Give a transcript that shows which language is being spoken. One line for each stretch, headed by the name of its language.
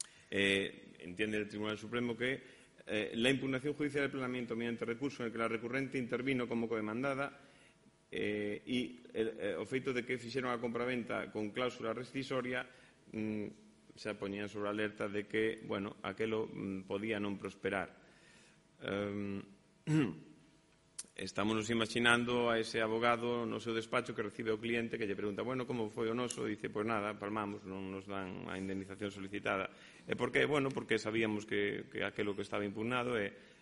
Spanish: Entiende el Tribunal Supremo que la impugnación judicial del planeamiento mediante recurso en el que la recurrente intervino como codemandada
Galician: o feito de que fixeron a compraventa con cláusula rescisoria se poñían sobre alerta de que, bueno, aquelo podía non prosperar. Estámonos imaginando a ese abogado no seu despacho que recibe o cliente que lle pregunta, bueno, como foi o noso? Dice, pois nada, palmamos, non nos dan a indemnización solicitada. E por que? Bueno, porque sabíamos que aquelo que estaba impugnado é...